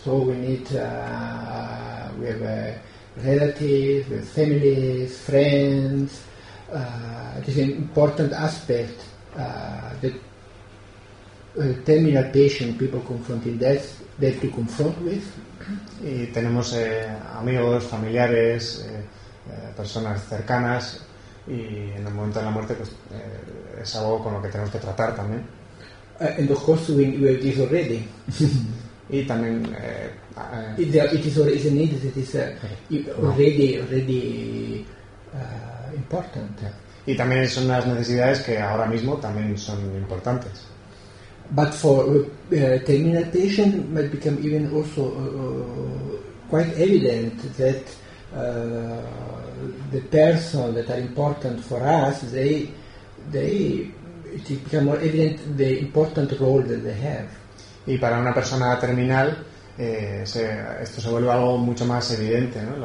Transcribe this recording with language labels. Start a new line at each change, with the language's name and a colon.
English: So we need we have relatives, we have families, friends. It is an important aspect that terminal patient people confronting death they have to confront with.
Spanish: Y tenemos amigos, familiares, personas cercanas, y en el momento de la muerte pues es algo con lo que tenemos que tratar también.
English: And of course we have this already.
Spanish: Y también
English: it is a need that is already important.
Spanish: Y también son unas necesidades que ahora mismo también son importantes.
English: But for terminal patient might become even also quite evident that the person that are important for us they it become more evident the important role that they have.
Spanish: Y para una persona terminal esto se vuelve algo mucho más evidente, ¿no?